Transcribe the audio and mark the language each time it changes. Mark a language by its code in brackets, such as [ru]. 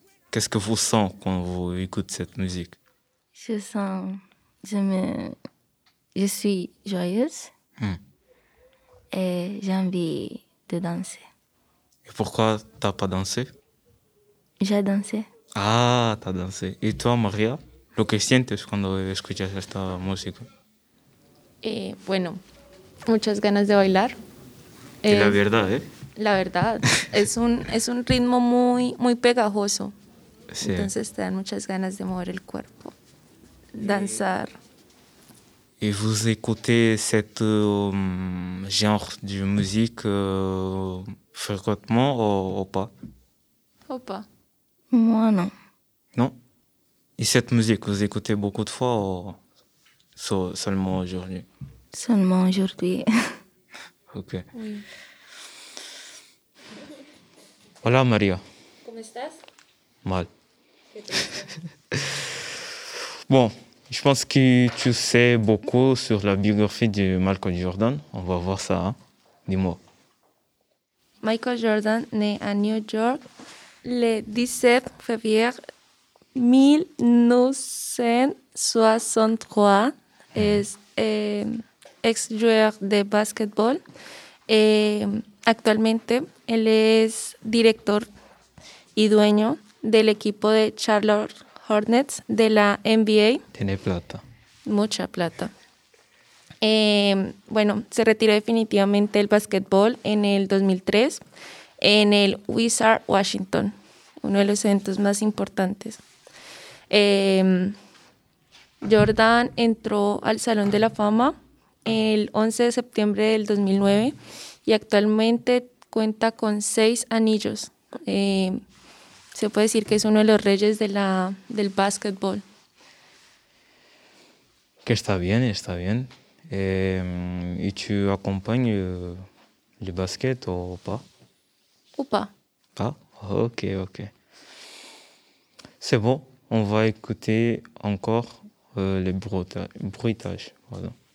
[fr] Qu'est-ce que vous sentez quand vous écoutez cette musique? Je sens... Je suis joyeuse. Et j'ai envie de danser. Et pourquoi t'as pas dansé? J'ai dansé. Ah, t'as dansé. Et toi, [es] Maria, lo que sientes cuando escuchas esta música? Bueno, muchas ganas de bailar. La verdad, ¿eh? La verdad, es un ritmo muy, muy pegajoso. Sí. Entonces te dan muchas ganas de mover el cuerpo, danzar. [fr] ¿Y vous écoutez cette genre de musique fréquemment ou pas? Ou pas. Moi, non. Non? Et cette musique, vous écoutez beaucoup de fois ou... Seulement aujourd'hui. Seulement aujourd'hui. Ok. Oui. [es] Hola Maria. Como estás? Mal. [fr] Bon, je pense que tu sais beaucoup sur la biographie de Michael Jordan. On va voir ça. Hein? Dis-moi. Michael Jordan naît à New York le 17 février 1963. [es] Es ex [fr] joueur de basketball [es] y actualmente él es director y dueño del equipo de Charlotte Hornets de la NBA. Tiene plata. Mucha plata. Bueno, se retiró definitivamente el basketball en el 2003 en el Wizard Washington, uno de los eventos más importantes. Jordan entró al Salón de la Fama el 11 de septiembre del 2009 y actualmente cuenta con 6 anillos. Se puede decir que es uno de los reyes del básquetbol. Que está bien, está bien. ¿Y tú acompañas el básquet o pa? ¿O pa? Pa, ok, ok. [fr] C'est bon, on va écouter encore... les bruitages, voilà.